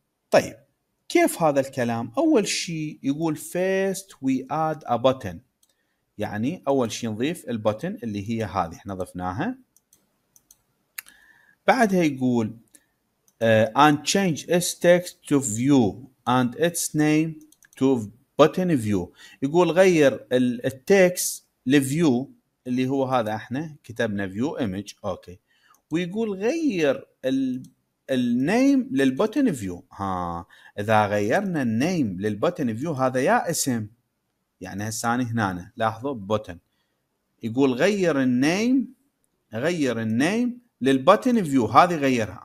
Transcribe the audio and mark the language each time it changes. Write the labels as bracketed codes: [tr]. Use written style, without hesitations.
[ar] طيب كيف هذا الكلام؟ اول شيء يقول [en] first we add a button، [ar] يعني اول شيء نضيف البوتن اللي هي هذه احنا ضفناها. بعدها يقول [en] and change its text to view and its name to button view. [ar] يقول غير التكست لفيو اللي هو هذا احنا كتبنا view image. اوكي ويقول غير النيم للبوتن فيو. ها اذا غيرنا النيم للبوتن فيو هذا يا اسم، يعني هساني هنا لاحظوا بوتن، يقول غير النيم، غير النيم للبوتن فيو هذه غيرها.